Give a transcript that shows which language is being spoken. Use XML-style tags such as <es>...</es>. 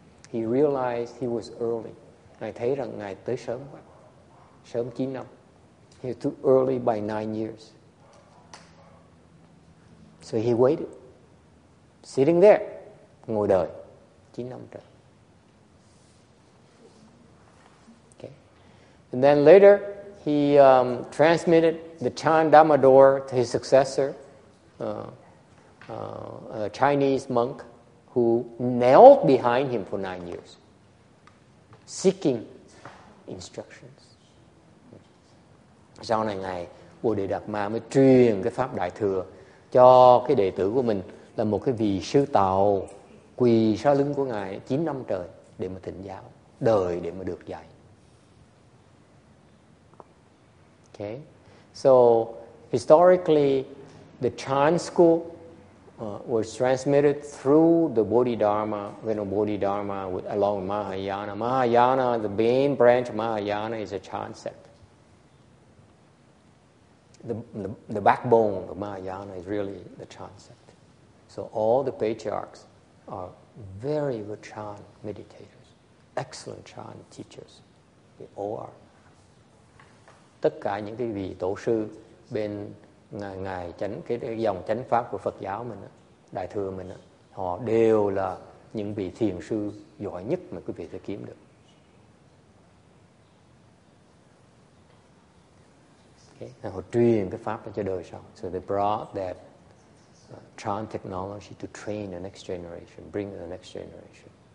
<en>He realized he was early.</en> <vi>Ngài thấy rằng ngài tới sớm quá. Sớm 9 năm.</vi> <en>He was too early by 9 years. So he waited, sitting there,</en> <vi>ngồi đợi 9 năm trời.</vi> <en>Okay. And then later, he transmitted the Chan Dhamma door to his successor, a Chinese monk who knelt behind him for 9 years, seeking instructions.</en> <vi>Sau này ngài Bồ Đề Đạt Ma mới truyền cái pháp đại thừa cho cái đệ tử của mình là một cái vị sư tàu quỳ sau lưng của ngài 9 năm trời để mà thỉnh giáo, đợi để mà được dạy.</vi> <en>Okay. So historically the Chan school was transmitted through the Bodhidharma, Bodhidharma with, along with Mahayana. Mahayana, the main branch of Mahayana is a Chan sect. The backbone of Mahayana is really the Chan sect. So all the patriarchs are very good Chan meditators, excellent Chan teachers. They all are.</en> <vi>Tất cả những cái vị tổ sư bên ngài chánh, cái dòng chánh pháp của Phật giáo mình, đại thừa mình, họ đều là những vị thiền sư giỏi nhất mà quý vị sẽ kiếm được. Okay. Họ truyền cái pháp cho đời sau.</vi> <en>So they brought that Chan technology to train the next generation, bring the next generation.</en>